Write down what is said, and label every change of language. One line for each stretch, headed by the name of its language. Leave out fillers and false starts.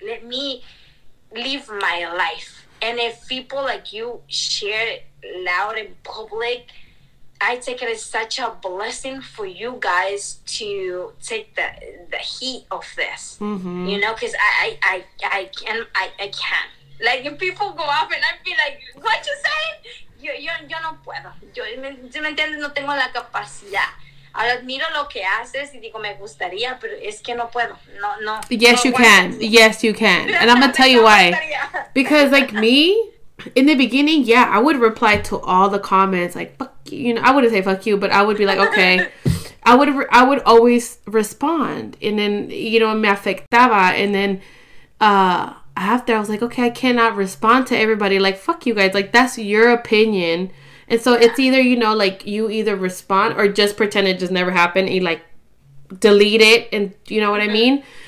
English: Let me live my life. And if people like you share it loud in public, I take it as such a blessing for you guys to take the heat of this, mm-hmm. you know, because I can't. Like, if people go off and I'd be like, what you saying?
Spanish: Yo no puedo. Yo, ¿me entiendes? No tengo la capacidad. Ahora admiro lo que haces y digo, me gustaría, pero es que no puedo. No.
English: Yes, you can. And I'm going to tell you why. Because, like, me, in the beginning, yeah, I would reply to all the comments, like, you know, I wouldn't say fuck you, but I would be like, okay, I would always respond, and then, you know, me afectaba, and then after I was like, okay, I cannot respond to everybody, like, fuck you guys, like, that's your opinion, and so it's either, you know, like, you either respond or just pretend it just never happened, and, like, delete it, and you know what I mean?